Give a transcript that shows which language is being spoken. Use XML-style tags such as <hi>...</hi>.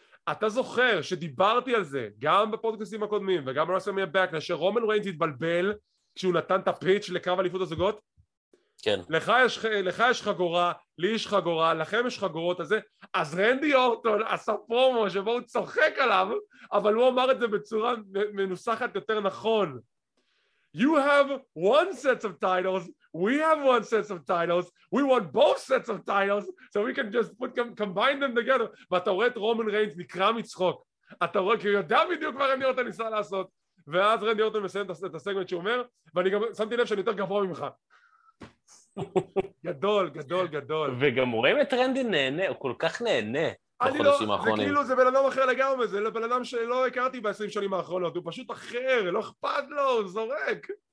<he>אתה זוכר שדיברתי על זה, גם בפודקאסטים הקודמים, וגם ברסלמניה בקלאש, שרומן ריינס התבלבל, כשהוא נתן את הפיץ' לקרב אליפות הזוגות? כן. לך יש חגורה, לי יש חגורה, לכם יש חגורות, הזה. אז רנדי אורטון עשה פרומו שבו הוא צוחק עליו, אבל הוא אמר את זה בצורה מנוסחת יותר נכון.</he> <en>You have one set of titles, we have one set of titles, we want both sets of titles, so we can just put, combine them together.</en> <he>ואתה רואה את רומן ריינס נקרע מצחוק. אתה רואה, כי הוא יודע בדיוק מה רנדי אורטון ניסה לעשות. ואז רנדי אורטון מסיים את הסגמנט שאומר, ואני גם שמתי לב שאני יותר גבוה ממך. גדול, גדול, גדול. וגם רואים את רנדי נהנה, הוא כל כך נהנה. אני לא, זה בן אדם אחר לגמרי, זה בן אדם שלא הכרתי ב-20 שנים האחרונות, הוא פשוט אחר, לא אכפת לו, הוא זורק.</he>